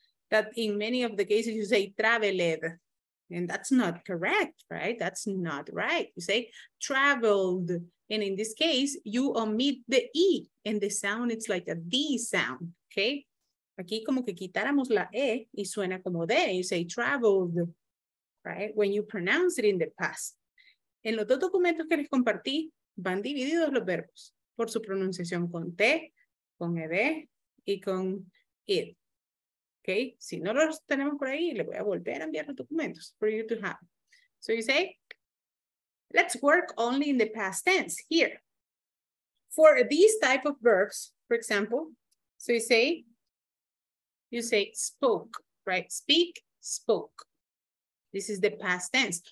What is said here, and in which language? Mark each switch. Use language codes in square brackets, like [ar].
[en] That in many of the cases you say traveled, and that's not correct, right? That's not right. You say traveled, and in this case, you omit the e, and the sound, it's like a d sound, okay? [es] Aquí como que quitáramos la e, y suena como d, [en] you say traveled. Right, when you pronounce it in the past. [es] En los dos documentos que les compartí, van divididos los verbos por su pronunciación con T, con ED y con IT. Okay, si no los tenemos por ahí, les voy a volver a enviar los documentos [en] for you to have. So you say, let's work only in the past tense here. For these type of verbs, for example, so you say, you say spoke, right? Speak, spoke. This is the past tense.